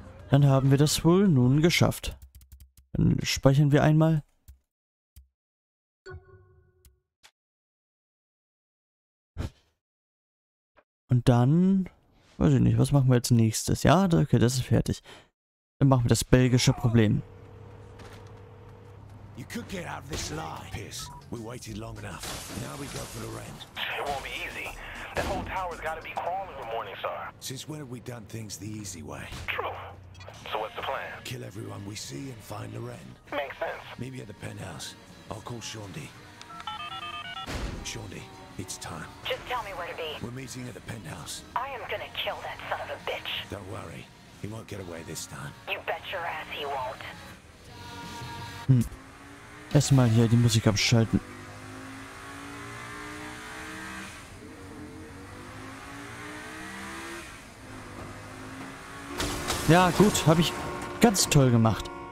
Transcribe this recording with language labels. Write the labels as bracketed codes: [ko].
[de] Dann haben wir das wohl nun geschafft. Dann speichern wir einmal. Und dann, weiß ich nicht, was machen wir als nächstes? Ja, okay, das ist fertig. Dann machen wir das belgische Problem. [en] You could get out of this line. Piss. We waited long enough. Now we go for the rent. It won't be easy. That whole tower's gotta be crawling with Morningstar. Since when have we done things the easy way? True. So what's the plan? Kill everyone we see and find Loren. Makes sense. Maybe at the penthouse. I'll call Shaundi. Shaundi, it's time. Just tell me where to be. We're meeting at the penthouse. I am gonna kill that son of a bitch. Don't worry. He won't get away this time. You bet your ass he won't. [de] Erstmal hier die Musik abschalten. Ja, gut, habe ich ganz toll gemacht.